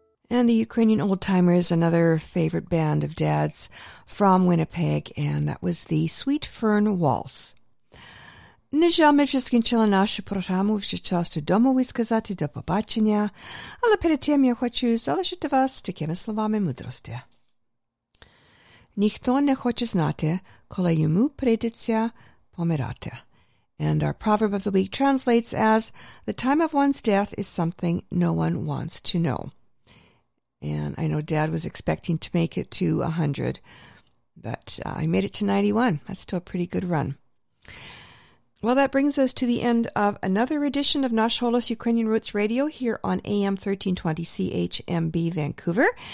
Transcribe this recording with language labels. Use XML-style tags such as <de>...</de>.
<en>And the Ukrainian Old Timers, another favorite band of Dad's from Winnipeg, and that was the Sweet Fern Waltz.</en> <uk>Нежалме вже скінчила нашу програму, вже час додому висказати до побачення, але перед тим я хочу залишити вас такими словами мудрості. Ніхто не хоче знати, коли йому прийдеться помирати.</uk> <en>And our proverb of the week translates as, the time of one's death is something no one wants to know. And I know Dad was expecting to make it to 100, but I made it to 91. That's still a pretty good run. Well, that brings us to the end of another edition of Nash Holos Ukrainian Roots Radio here on AM 1320 CHMB Vancouver.</en>